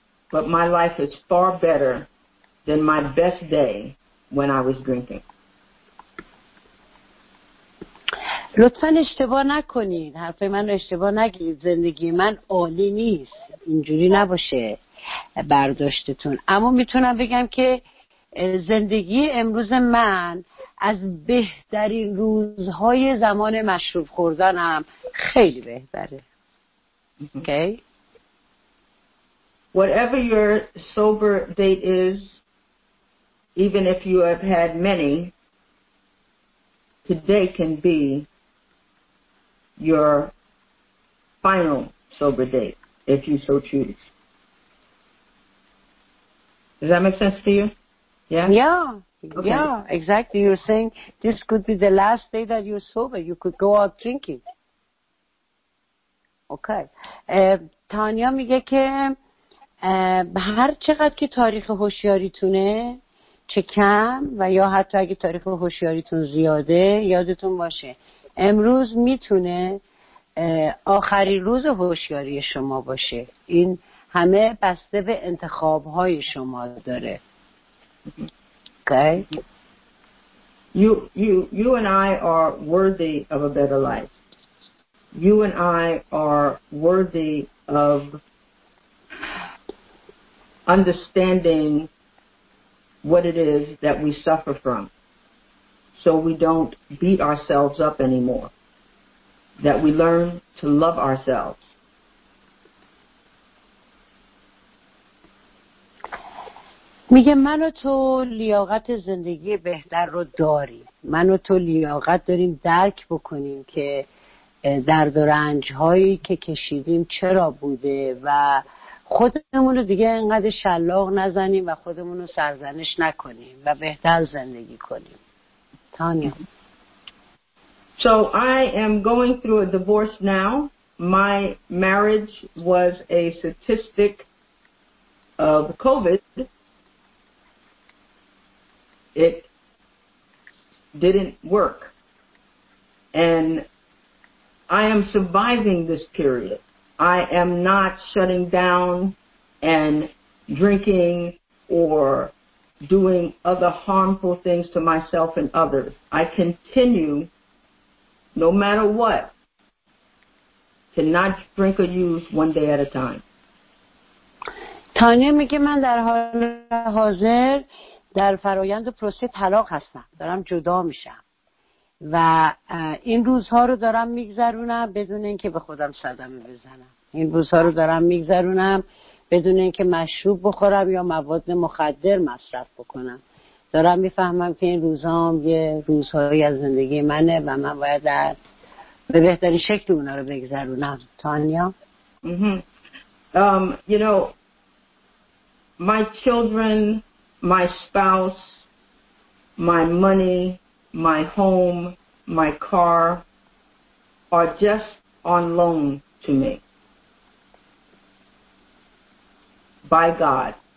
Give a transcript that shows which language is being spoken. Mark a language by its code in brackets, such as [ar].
[en] But my life is far better than my best day when I was drinking. [fa] لطفا اشتباه نکنید، حرف من رو اشتباه نگیرید. زندگی من عالی نیست، اینجوری نباشه برداشتتون. اما میتونم بگم که زندگی امروز من از بهترین روزهای زمان مشروب خوردنم خیلی بهتره. [en] Okay. Whatever your sober date is, even if you have had many, today can be your final sober date if you so choose. Does that make sense to you? Yeah. Okay. Yeah, exactly. You're saying this could be the last day that you're sober. You could go out drinking. Okay. [fa] تانیا میگه که هر چقدر که تاریخ هوشیاریتونه چه کم و یا حتی اگه تاریخ هوشیاریتون زیاده یادتون باشه امروز میتونه آخرین روز هوشیاری شما باشه. این همه بسته به انتخاب‌های شما داره. [en] Okay. You and I are worthy of a better life. You and I are worthy of understanding what it is that we suffer from, so we don't beat ourselves up anymore, that we learn to love ourselves. [fa] میگه من و تو لیاقت زندگی بهتر رو داریم. من و تو لیاقت داریم درک بکنیم که درد و رنج‌هایی که کشیدیم چرا بوده و خودمون رو دیگه انقدر شلاق نزنیم و خودمون رو سرزنش نکنیم و بهتر زندگی کنیم. تانیا. [en] So I am going through a divorce now. My marriage was a statistic of COVID. It didn't work. And I am surviving this period. I am not shutting down and drinking or doing other harmful things to myself and others. I continue, no matter what, to not drink or use one day at a time. [fa] Tanya میگه من در حال حاضر در فرایند پروسه طلاق هستم. دارم جدا میشم. و این روزها رو دارم میگذرونم بدون اینکه به خودم صدمه بزنم. این روزها رو دارم میگذرونم بدون اینکه مشروب بخورم یا مواد مخدر مصرف بکنم. دارم میفهمم که این روزها هم یه روزهایی از زندگی منه و من باید در به بهترین شکل اونا رو بگذرونم. تانیا. [en] You know, my children, my spouse, my money, my home, my car are just on loan to me by God.